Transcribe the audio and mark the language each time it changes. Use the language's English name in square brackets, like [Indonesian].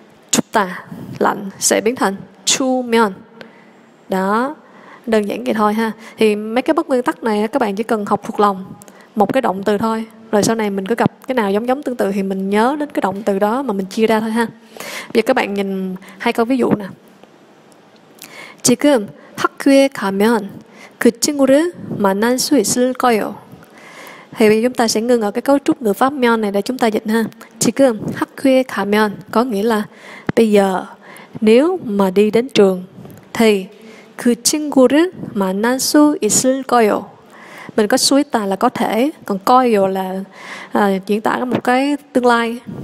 [Vietnamese] Chupta lạnh sẽ biến thành chumian. Đó, đơn giản vậy thôi ha. Thì mấy cái bất nguyên tắc này các bạn chỉ cần học thuộc lòng một cái động từ thôi, rồi sau này mình cứ gặp cái nào giống giống tương tự thì mình nhớ đến cái động từ đó mà mình chia ra thôi ha. Bây giờ các bạn nhìn hai câu ví dụ nè. [Korean] 지금 학교에 가면 그 친구를 만날 수 있을 거예요. [Vietnamese] Thì bây giờ chúng ta sẽ ngừng ở cái cấu trúc ngữ pháp mian này để chúng ta dịch ha. [Korean] 지금 학교에 가면 [Vietnamese] có nghĩa là bây giờ nếu mà đi đến trường thì [Korean] 그 친구를 만날 수 있을 거예요. [Vietnamese] Mình có 수 있다 là có thể, còn 거예요 là diễn tả một cái tương lai.